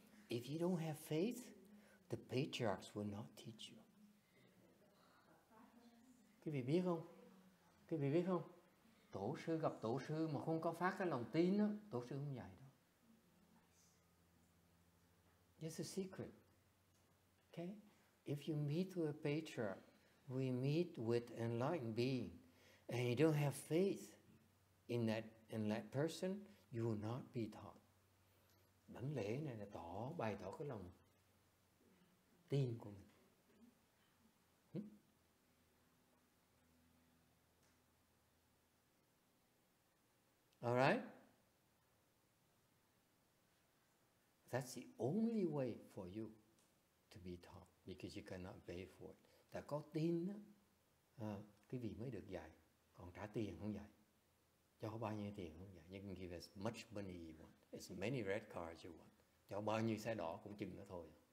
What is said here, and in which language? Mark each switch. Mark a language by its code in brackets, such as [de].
[en] If you don't have faith, the patriarchs will not teach you. [vi] Quý vị biết không? Quý vị biết không? Tổ sư gặp tổ sư mà không có phát cái lòng tin đó, tổ sư không dạy đâu. [en] It's a secret. Okay? If you meet with a patriarch, we meet with enlightened being, and you don't have faith in that and that person, you will not be taught. [vi] Đánh lễ này là tỏ bày tỏ cái lòng tin của mình. [en] All right? That's the only way for you to be taught because you cannot pay for it. [vi] Đã có tin á, cái vị mới được dạy, còn trả tiền không dạy. Cho bao nhiêu tiền không dạy. [en] You can give as much money you want, as many red cards you want. [vi] Cho bao nhiêu xe đỏ cũng chừng đó thôi.